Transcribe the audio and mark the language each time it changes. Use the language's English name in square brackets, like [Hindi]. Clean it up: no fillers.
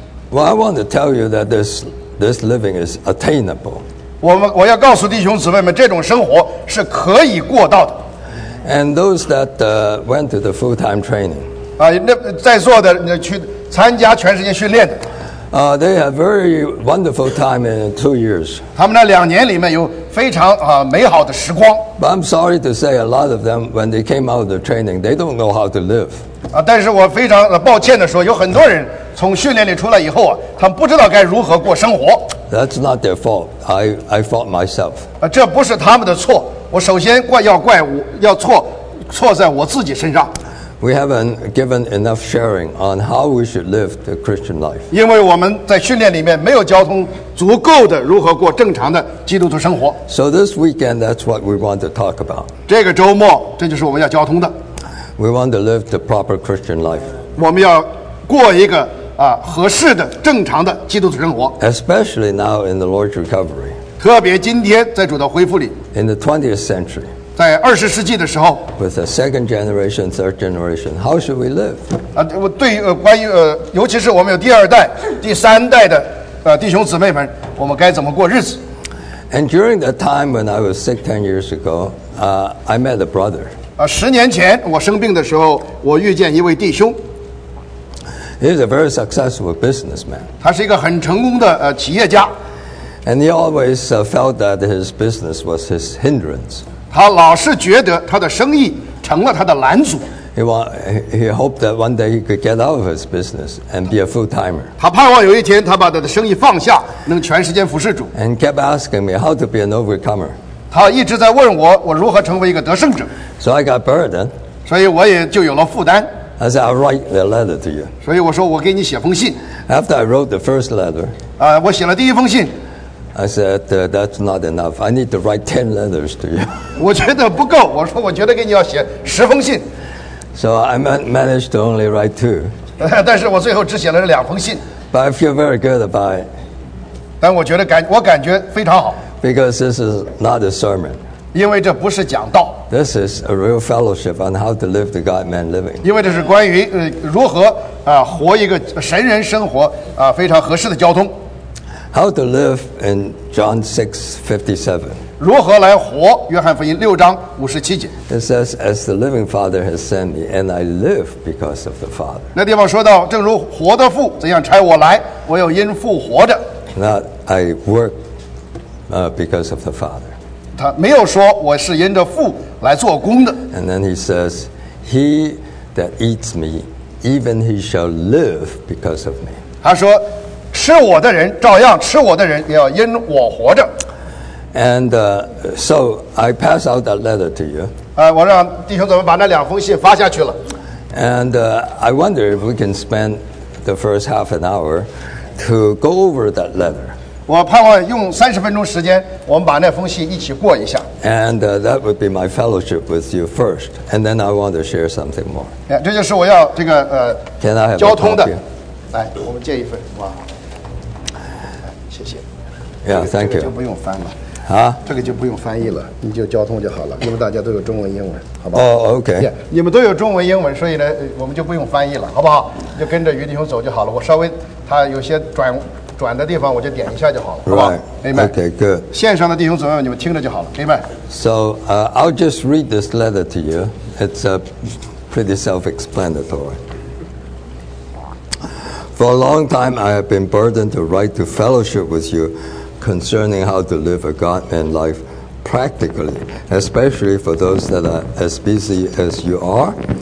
[English] Well I want to tell you that this living is attainable [Chinese] 我要告诉弟兄姊妹们这种生活是可以过到的 [English] And those that went to the full time training [Chinese] 那在座的去参加全世界训练的 [English] They have very wonderful time in 2 years [Chinese] 他们那两年里面有非常美好的时光 [English] But I'm sorry to say a lot of them when they came out of the training they don't know how to live [Chinese] 但是我非常抱歉的说有很多人从训练里出来以后他们不知道该如何过生活 [English] That's not their fault I fault myself [Chinese] 这不是他们的错我首先要错在我自己身上 [English] We haven't given enough sharing on how we should live the Christian life [Chinese] 因为我们在训练里面没有交通足够的如何过正常的基督徒生活 [English] So this weekend that's what we want to talk about [Chinese] 这个周末这就是我们要交通的 [English] We want to live the proper Christian life [Chinese] 我们要过一个合适的正常的基督徒生活 [English] Especially now in the Lord's recovery [Chinese] 特别今天在主的恢复里 [English] In the 20th century [Chinese] 在二十世纪的时候 [English] With a second generation, third generation How should we live? [Chinese] 对关于尤其是我们有第二代第三代的弟兄姊妹们我们该怎么过日子 [English] And during the time when I was sick 10 years ago I met a brother [Chinese] 十年前我生病的时候我遇见一位弟兄 [English] He is a very successful businessman [Chinese] 他是一个很成功的企业家 [English] And he always felt that his business was his hindrance [Chinese] 他老是觉得他的生意成了他的拦阻 [English] He hoped that one day he could get out of his business and be a full-timer. [Chinese] 他盼望有一天他把他的生意放下，能全时间服侍主。 [English] And kept asking me how to be an overcomer. [Chinese] 他一直在问我，我如何成为一个得胜者。 [English] So I got burdened. [Chinese] 所以我也就有了负担。 [English] I said, I'll write the letter to you. [Chinese] 所以我说我给你写封信。 [English] After I wrote the first letter, [Chinese] 我写了第一封信。 [English] I said, that's not enough. I need to write 10 letters to you. [Chinese] 我觉得不够，我说我觉得给你要写10封信。 [English] So I managed to only write two. [Chinese] 但是我最后只写了两封信。 [English] But I feel very good about it. [Chinese] 但我感觉非常好。 [English] Because this is not a sermon. [Chinese] 因为这不是讲道。 [English] This is a real fellowship on how to live the God-man living. [Chinese] 因为这是关于如何活一个神人生活非常合适的交通。 [English] How to live in John 6:57. [Chinese] 如何来活？约翰福音六章五十七节。 [English] It says, "As the living Father has sent me, and I live because of the Father." [Chinese] 那地方说到，正如活的父怎样差我来，我又因父活着。 [English] Not I work, because of the Father. [Chinese] 他没有说我是因着父来做工的。 [English] And then he says, "He that eats me, even he shall live because of me." [Chinese] 他说。吃我的人照样吃我的人也要因我活着 [English] And so I pass out that letter to you [Chinese] 我让弟兄怎么把那两封信发下去了 [English] And I wonder if we can spend the first half an hour to go over that letter [Chinese] 我盼望用三十分钟时间我们把那封信一起过一下 [English] And that would be my fellowship with you first And then I want to share something more [Chinese] 这就是我要这个 [English] Can I have [Chinese] 交通的 [English] a copy? [Chinese] 来我们借一份哇 [English] Yeah, thank you. [Chinese] 就不用翻了啊，这个就不用翻译了，你就交通就好了，因为大家都有中文英文，好吧？哦、oh, ，OK。你们都有中文英文，所以呢，我们就不用翻译了，好不好？就跟着余弟兄走就好了。我稍微他有些转的地方，我就点一下就好了， [English] right. [Chinese] 好吧？明白 [English] ？OK, good. [Chinese] 线上的弟兄姊妹们，你们听着就好了，明白 [English] ？So, I'll just read this letter to you. It's a pretty self-explanatory. For a long time, I have been burdened to write to fellowship with you concerning how to live a God-man life practically, especially for those that are as busy as you are.